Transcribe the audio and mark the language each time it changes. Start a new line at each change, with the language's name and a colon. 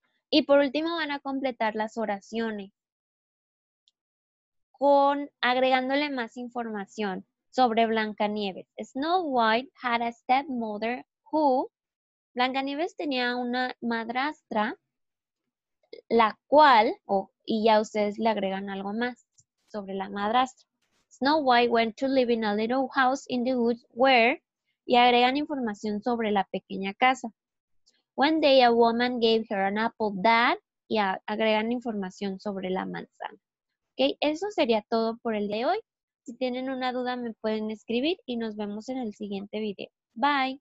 Spanish: Y por último van a completar las oraciones con agregándole más información sobre Blancanieves.
English: Snow White had a stepmother who...
Spanish: Blancanieves tenía una madrastra, la cual... Oh, y ya ustedes le agregan algo más sobre la madrastra.
English: Snow White went to live in a little house in the woods where...
Spanish: Y agregan información sobre la pequeña casa.
English: One day a woman gave her an apple that...
Spanish: Y agregan información sobre la manzana. Okay, eso sería todo por el de hoy. Si tienen una duda me pueden escribir y nos vemos en el siguiente video. Bye.